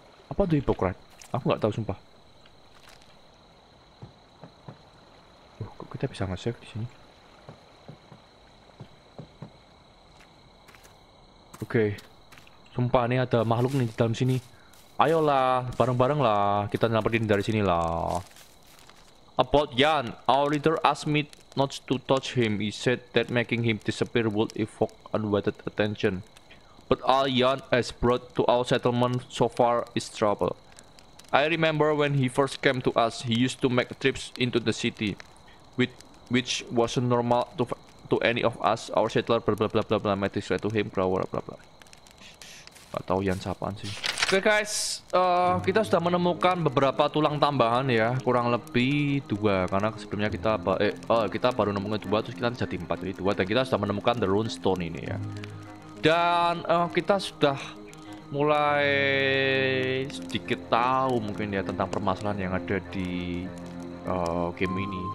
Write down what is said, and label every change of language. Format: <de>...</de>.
<id>Apa itu hypocrite? Aku nggak tahu sumpah. Kok kita bisa nge-save di sini? Oke. Okay. Sumpah nih ada makhluk nih di dalam sini. Ayolah, bareng-bareng lah, kita nyamperin dari sini lah.</id> <en>About Yan, our leader asked me not to touch him. He said that making him disappear would evoke unwanted attention. But all Yan has brought to our settlement so far is trouble. I remember when he first came to us, he used to make trips into the city, which wasn't normal to any of us. Our settler blah blah blah blah blah made this threat to him, blah blah blah blah.</en> <id>Gak tau Yan siapaan sih. Oke, okay guys, kita sudah menemukan beberapa tulang tambahan ya, kurang lebih 2 karena sebelumnya kita kita baru nemuin 2 terus kita jadi 4 jadi 2 dan kita sudah menemukan the rune stone ini ya. Dan kita sudah mulai sedikit tahu mungkin ya tentang permasalahan yang ada di game ini.</id>